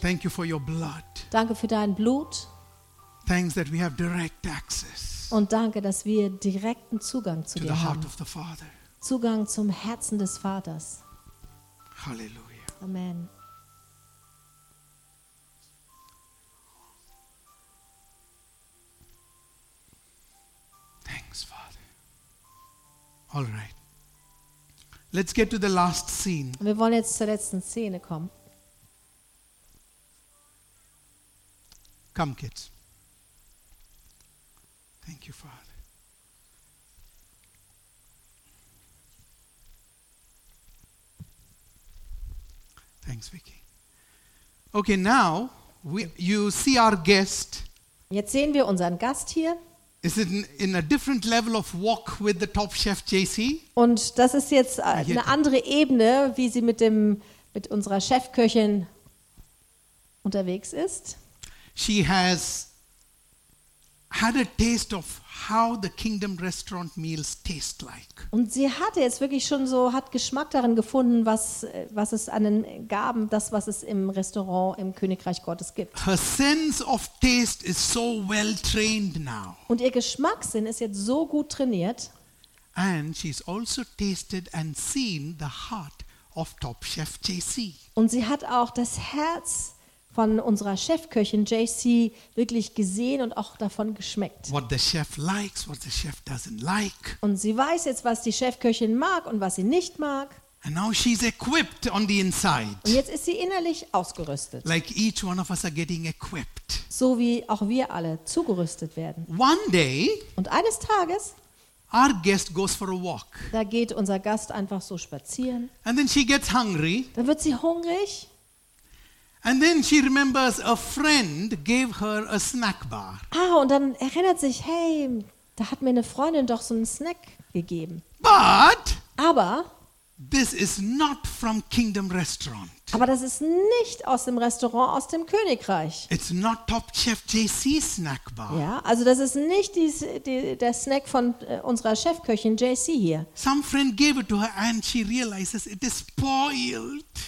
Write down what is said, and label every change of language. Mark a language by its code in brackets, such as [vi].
[en] Thank you for your blood. [de] Danke für dein Blut. [en] Thanks that we have direct access. [de] Und danke, dass wir direkten Zugang zu dir haben. [en] To the heart of the Father. [de] Zugang zum Herzen des Vaters. Halleluja. Amen. [en] Thanks, Father. All right. Let's get to the last scene. [de] Wir wollen jetzt zur letzten Szene kommen. [en] Come, kids. Thank you, Father. Thanks, Vicky. Okay, now you see our guest. [de] Jetzt sehen wir unseren Gast hier. [en] Is it in a different level of walk with the top chef JC? [de] Und das ist jetzt eine andere Ebene, wie sie mit unserer Chefköchin unterwegs ist. [en] She has had a taste of how the Kingdom restaurant meals taste like. [de] Und sie hatte jetzt wirklich schon so, hat Geschmack darin gefunden, was es an den Gaben, das, was es im Restaurant im Königreich Gottes gibt. [en] Her sense of taste is so well trained now. [de] Und ihr Geschmackssinn ist jetzt so gut trainiert. [en] And she's also tasted and seen the heart of Top Chef JC. [de] Und sie hat auch das Herz von unserer Chefköchin JC wirklich gesehen und auch davon geschmeckt. [en] What the chef likes, what the chef doesn't like. [de] Und sie weiß jetzt, was die Chefköchin mag und was sie nicht mag. [en] And now she's equipped on the inside. [de] Und jetzt ist sie innerlich ausgerüstet. [en] Like each one of us are getting equipped. [de] So wie auch wir alle zugerüstet werden. [en] One day, [de] und eines Tages, [en] our guest goes for a walk. [de] Da geht unser Gast einfach so spazieren. [en] And then she gets hungry. [de] Dann wird sie hungrig. [en] And then she remembers a friend gave her a snack bar. [de] Ah, und dann erinnert sich, hey, da hat mir eine Freundin doch so einen Snack gegeben. [en] But [de] aber [en] this is not from Kingdom Restaurant. [de] Aber das ist nicht aus dem Restaurant aus dem Königreich. [en] It's not Top Chef JC's snack bar. [de] Ja, also das ist nicht der Snack von unserer Chefköchin JC hier. [en] Some friend gave it to her and she realizes it is spoiled.